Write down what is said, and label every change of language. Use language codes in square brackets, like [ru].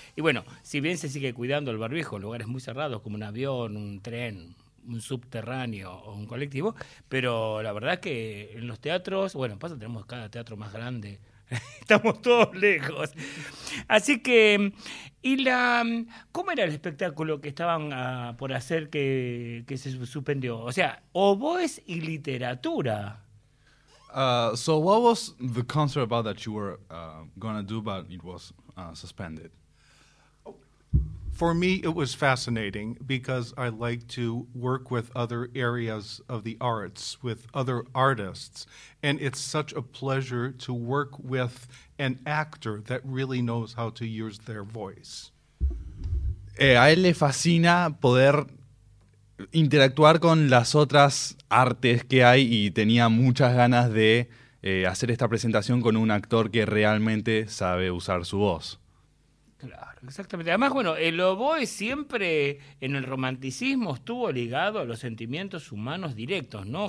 [es] Y bueno, si bien se sigue cuidando el barbijo en lugares muy cerrados como un avión, un tren, un subterráneo o un colectivo, pero la verdad es que en los teatros, bueno, pasa, tenemos cada teatro más grande, estamos todos lejos. Así que, ¿y cómo era el espectáculo que estaban por hacer que se suspendió? O sea, oboes y literatura. [en] So what was the concert about that you were going to do, but it was suspended? For me, it was fascinating because I like to work with other areas of the arts, with other artists, and it's such a pleasure to work with an actor that really knows how to use their voice. [es] A él le fascina poder interactuar con las otras artes que hay y tenía muchas ganas de hacer esta presentación con un actor que realmente sabe usar su voz. Claro, exactamente. Además, bueno, el oboe siempre en el romanticismo estuvo ligado a los sentimientos humanos directos, ¿no?